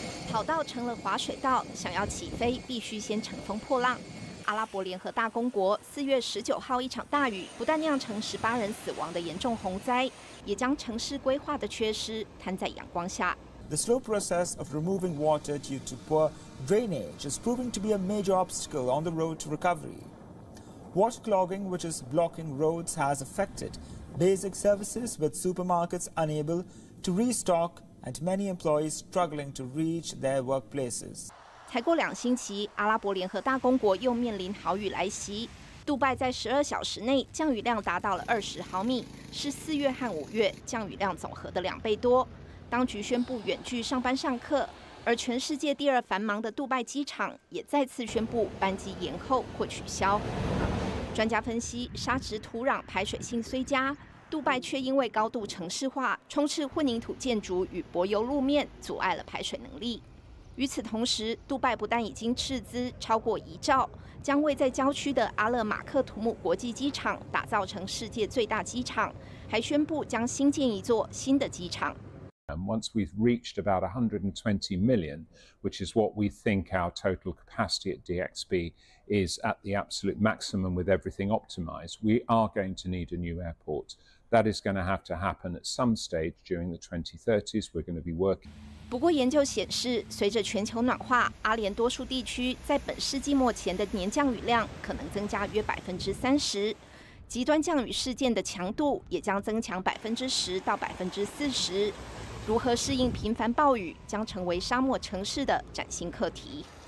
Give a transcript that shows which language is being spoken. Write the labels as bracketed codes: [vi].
[zh] 跑道成了滑水道，想要起飞必须先乘风破浪。阿拉伯联合大公国4月19号一场大雨，不但酿成18人死亡的严重洪灾，也将城市规划的缺失摊在阳光下。 [en] The slow process of removing water due to poor drainage is proving to be a major obstacle on the road to recovery. Water clogging, which is blocking roads, has affected basic services, with supermarkets unable to restock. And many employees struggling to reach their workplaces. [zh] 才过两星期，阿拉伯联合大公国又面临豪雨来袭。杜拜在12小时内降雨量达到了20毫米，是4月和5月降雨量总和的两倍多。当局宣布远距上班上课，而全世界第二繁忙的杜拜机场也再次宣布班机延后或取消。专家分析，沙质土壤排水性虽佳。杜拜却因为高度城市化，充斥混凝土建筑与柏油路面，阻碍了排水能力。与此同时，杜拜不但已经斥资超过1兆，将位在郊区的阿勒马克图姆国际机场打造成世界最大机场，还宣布将新建一座新的机场。 [en] Once we've reached about 120 million, which is what we think our total capacity at DXB is at the absolute maximum with everything optimized, we are going to need a new airport. That is going to have to happen at some stage during the 2030s. We're going to be working. [zh] 不过研究显示，随着全球暖化，阿联多数地区在本世纪末前的年降雨量可能增加约30%，极端降雨事件的强度也将增强10%到40%。如何适应频繁暴雨将成为沙漠城市的崭新课题。